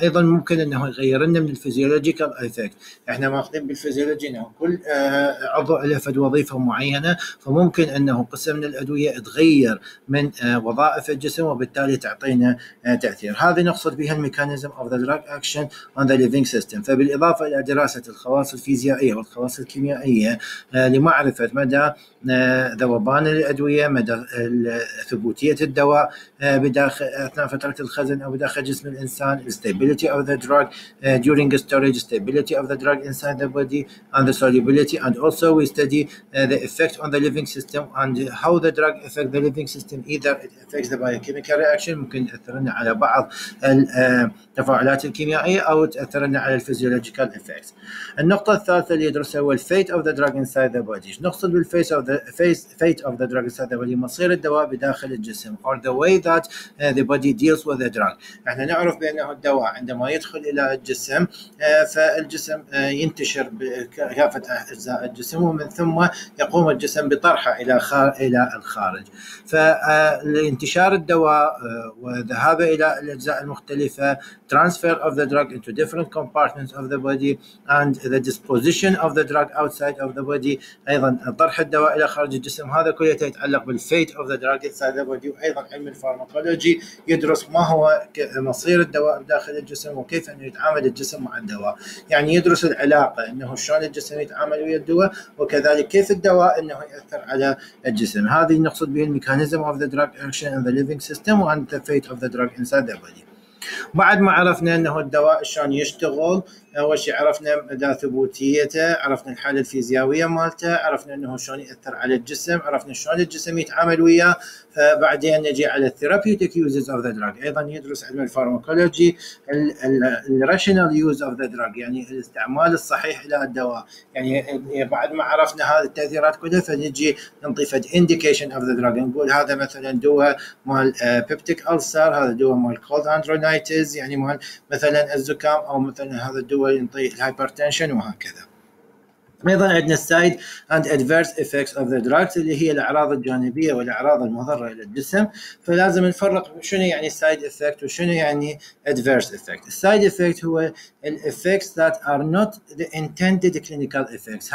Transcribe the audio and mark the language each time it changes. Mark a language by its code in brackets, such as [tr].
[ar] أيضا ممكن أنه يغير لنا من الفيزيولوجيكال إيفكت. إحنا ماخذين بالفيزيولوجي أنه كل عضو له فد وظيفة معينة، فممكن أنه قسم من الأدوية تغير من وظائف الجسم وبالتالي تعطينا تأثير. هذه نقصد بها [en] الميكانيزم of the drug action on the living system. [ar] فبالإضافة إلى دراسة الخواص الفيزيائية والخواص الكيميائية لمعرفة مدى ذوبان الأدوية، مدى ثبوتية الدواء أثناء فترة الخزن بداخل جسم الإنسان, [en] stability of the drug during storage, stability of the drug inside the body and the solubility, and also we study the effect on the living system and how the drug affects the living system. Either it affects the biochemical reaction, [ar] ممكن تأثرنا على بعض التفاعلات الكيميائية أو تأثرنا على [en] physiological effects. [ar] النقطة الثالثة اللي يدرسها هو [en] fate of the drug inside the body. نقصد بالface of the fate of the drug inside the body, [ar] مصير الدواء بداخل الجسم, [en] or the way that the body deals with the drug. [ar] احنا نعرف بانه الدواء عندما يدخل الى الجسم فالجسم ينتشر بكافة اجزاء الجسم, ومن ثم يقوم الجسم بطرحه الى الخارج. فانتشار الدواء وذهابه الى الاجزاء المختلفة, [en] transfer of the drug into different compartments of the body and the disposition of the drug outside of the body, [ar] ايضا طرح الدواء الى خارج الجسم, هذا كله يتعلق بالفيت [en] of the drug inside the body. [ar] وايضا علم الفارماكولوجي يدرس ما هو مصير الدواء داخل الجسم وكيف أن يتعامل الجسم مع الدواء. يعني يدرس العلاقة أنه شلون الجسم يتعامل ويا الدواء, وكذلك كيف الدواء أنه يأثر على الجسم. هذه نقصد به الميكانيزم [en] of the drug action in the living system and the fate of the drug inside the body. [ar] بعد ما عرفنا أنه الدواء شلون يشتغل, أول شيء عرفنا مدى ثبوتيته, عرفنا الحالة الفيزيائية مالته, عرفنا أنه شلون يأثر على الجسم, عرفنا شلون الجسم يتعامل وياه. فبعدين نجي على [en] therapeutic uses of the drug. [ar] أيضا يدرس علم الفارماكولوجي [en] الراشنال use of the drug, [ar] يعني الاستعمال الصحيح للدواء. يعني بعد ما عرفنا هذه التأثيرات كلها فنجي نعطي فد [en] indication of the drug, [ar] نقول هذا مثلا دواء مال peptic ulcer, هذا دواء مال [en] cold andronitis, [ar] يعني مال مثلا الزكام, أو مثلا هذا دول ينطي الهايبرتنشن وهكذا. أيضا عندنا السايد [en] and adverse effects of the drugs [ar] اللي هي الأعراض الجانبية والأعراض المضرة للجسم. فلازم نفرق شنو يعني side effect وشنو يعني adverse effect. [en] side effect هو effects that are not the intended clinical effects.